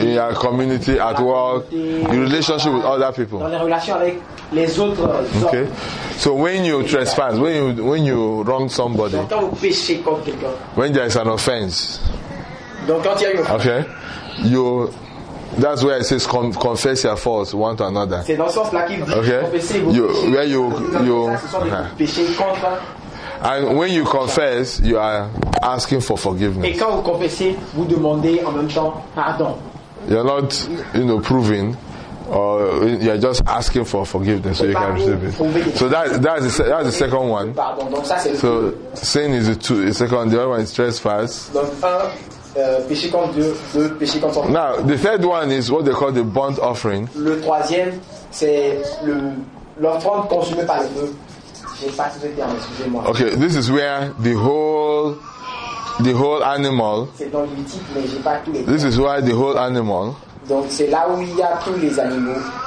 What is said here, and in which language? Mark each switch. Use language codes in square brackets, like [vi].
[en] in our community, at work, in relationship with other people. [fr] Dans les relations avec les autres hommes. [en] Okay. So when you trespass, when you wrong somebody, [fr] quand vous péchez contre quelqu'un, [en] when there is an offense, [fr] donc quand il y a une [en] offense, okay, you, that's where it says confess your faults one to another. [fr] C'est dans ce sens-là qu'il dit confessez vos péchés. [en] Where you [fr] péché contre. [en] And when you confess, you are asking for forgiveness. [fr] Et quand vous confessez, vous demandez en même temps pardon. [en] You're not, you know, proving, or you're just asking for forgiveness so you can receive it. So that's the second one. [fr] Pardon. Donc ça c'est. [en] So sin is the two. The second, the other one is trespass. [fr] Donc un péché contre Dieu, deux péchés contre Dieu. [en] Now the third one is what they call the burnt offering. [fr] Le troisième c'est le l'offrande consumée par le feu. [en] Okay, this is where the whole animal. This is why the whole animal. [fr] Donc c'est là où il y a tous les animaux.